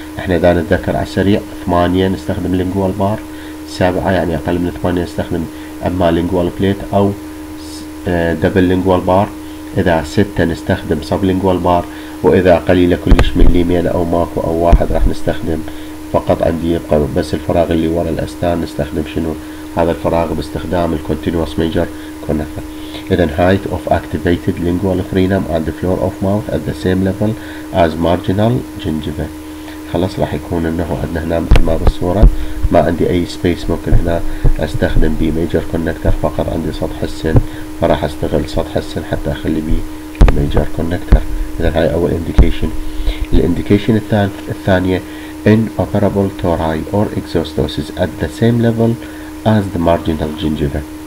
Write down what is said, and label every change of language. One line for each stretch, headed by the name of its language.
Arabic: احنا اذا نتذكر على السريع 8 نستخدم لينجوال بار، 7 يعني اقل من 8 نستخدم اما لينجوال بليت او دبل لينجوال بار، اذا 6 نستخدم سب لينجوال بار، واذا قليله كلش مليمين او ماكو او واحد راح نستخدم فقط عندي يبقى بس الفراغ اللي ورا الاسنان، نستخدم شنو هذا الفراغ باستخدام الكونتينوس ميجر كونكتر.
English: اذا height of activated lingual frenum and the floor of mouth at the same level as marginal gingiva.
Arabic: خلص راح يكون انه عندنا هنا مثل ما بالصوره ما عندي اي سبيس ممكن هنا استخدم بي ميجر كونكتر، فقط عندي سطح السن، فراح استغل سطح السن حتى اخلي بي ميجر كونكتر. اذا هاي اول انديكيشن. الانديكيشن الثانيه
English: inoperable tori or exostosis at the same level as the marginal gingiva.